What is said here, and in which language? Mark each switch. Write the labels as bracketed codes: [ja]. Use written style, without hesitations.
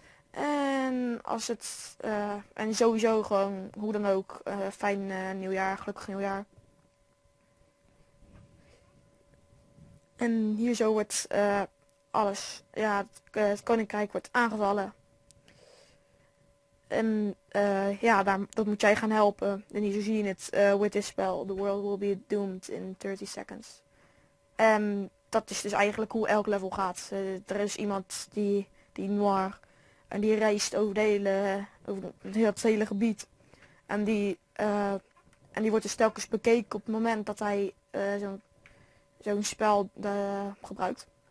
[nl] En als het en sowieso gewoon hoe dan ook fijn nieuwjaar, gelukkig nieuwjaar. En hier zo wordt alles, ja, het koninkrijk wordt aangevallen. En ja, dat moet jij gaan helpen. En hier zie je het [en] with this spell. The world will be doomed in 30 seconds. [nl] En dat is dus eigenlijk hoe elk level gaat. Er is iemand die noir. En die reist over de hele, over het hele gebied. En die wordt dus telkens bekeken op het moment dat hij zo'n spel gebruikt.